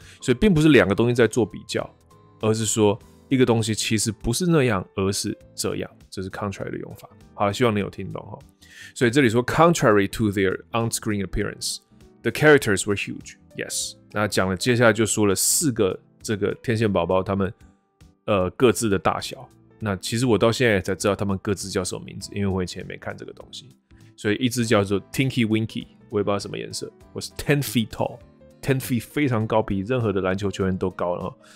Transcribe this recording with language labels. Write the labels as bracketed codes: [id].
[zh] 所以并不是两个东西在做比较，而是说一个东西其实不是那样而是这样，这是 contrary 的用法。好，希望你有听懂。所以这里说 [en] contrary to their on-screen appearance, the characters were huge. Yes. [zh] 那讲了接下来就说了四个这个天线宝宝他们各自的大小。那其实我到现在才知道他们各自叫什么名字，因为我以前没看这个东西。所以一只叫做 Tinky Winky, 我也不知道什么颜色。我是 [en] 10 feet tall, [zh] 10 feet 非常高，比任何的篮球球员都高。